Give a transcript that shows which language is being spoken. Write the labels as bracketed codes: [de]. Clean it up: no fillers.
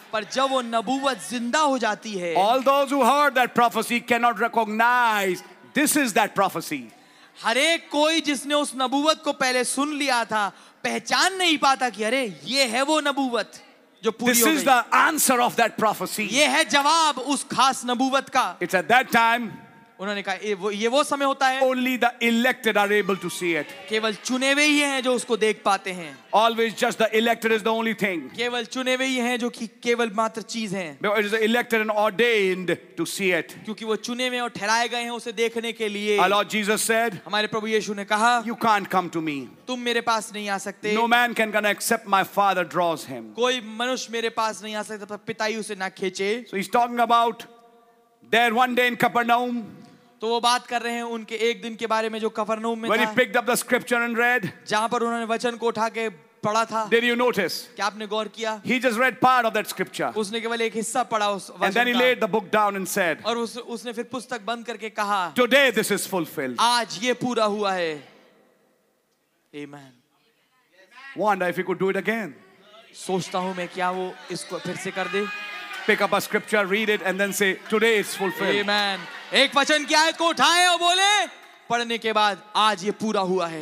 [hi] पर जब वो नबुवत जिंदा हो जाती है. [en] All those who heard that prophecy cannot recognize this is that prophecy. [hi] हर एक कोई जिसने उस नबुवत को पहले सुन लिया था पहचान नहीं पाता कि अरे ये है वो नबूवत जो पूरी हो गई. [en] This is the answer of that prophecy. [hi] ये है जवाब उस खास नबूवत का. [en] It's at that time. [hi] उन्होंने कहा ये वो समय होता है. [en] Only the elected are able to see it. [hi] केवल चुने हुए ही हैं जो उसको देख पाते हैं. [en] Always just the elected is the only thing. [hi] केवल चुने हुए ही हैं जो कि केवल मात्र चीज हैं. [en] It is the elected and ordained to see it. [hi] क्योंकि वो चुने हुए और ठहराए गए हैं उसे देखने के लिए. [en] Our Lord Jesus said. [hi] हमारे प्रभु यीशु ने कहा. [en] You can't come to me. [hi] तुम मेरे पास नहीं आ सकते. [en] No man can come except my Father draws him. [hi] कोई मनुष्य मेरे पास नहीं आ सकता पर पिता ही उसे ना खींचे. [en] So he's talking about there one day in Capernaum. [hi] तो वो बात कर रहे हैं उनके एक दिन के बारे में जो कफरनहूम में था. [en] When he picked up the scripture and read, [hi] जहां पर उन्होंने वचन को उठा के पढ़ा था. [en] Did you notice? [hi] क्या आपने गौर किया? [en] He just read part of that scripture. [hi] उसने केवल एक हिस्सा पढ़ा उस वचन का. [en] And then he laid the book down and said, [hi] और उसने फिर पुस्तक बंद करके कहा, [en] Today this is fulfilled. [hi] आज ये पूरा हुआ है. Amen. [en] Wonder if he could do it again. [hi] सोचता हूँ मैं क्या वो इसको फिर से कर दे. [en] Pick up a scripture, read it, and then say, "Today it's fulfilled." Amen. [hi] एक वचन की आयत को उठाए और बोले. पढ़ने के बाद आज ये पूरा हुआ है.